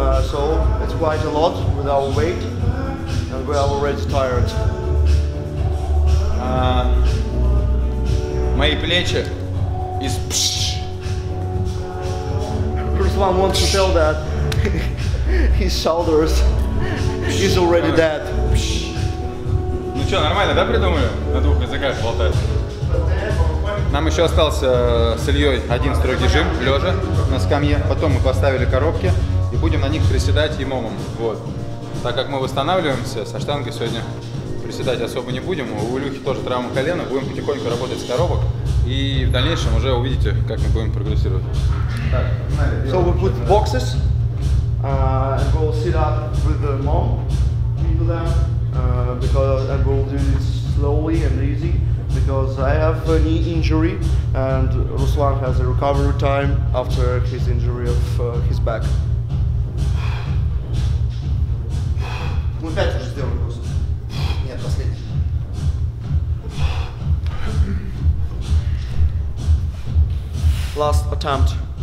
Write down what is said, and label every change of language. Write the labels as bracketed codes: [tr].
[en] So it's quite a lot with our weight and we are already tired. [ru] Мои плечи из [en] Руслан wants to tell that his shoulders is already dead. [ru] Ну что, нормально, да, придумали? На двух языках болтать. Нам еще остался с Ильей один строгий жим, лежа на скамье. Потом мы поставили коробки и будем на них приседать и момом. Вот. Так как мы восстанавливаемся, со штангой сегодня приседать особо не будем. У Илюхи тоже травма колена, будем потихоньку работать с коробок. И в дальнейшем уже увидите, как мы будем прогрессировать. [en] So we put boxes and we'll sit up with the mom into them because I will do it slowly and easy because I have a knee injury and Ruslan has a recovery time after his injury of his back. [ru] Мы опять уже сделаем просто. Нет, последний. [en] Last attempt.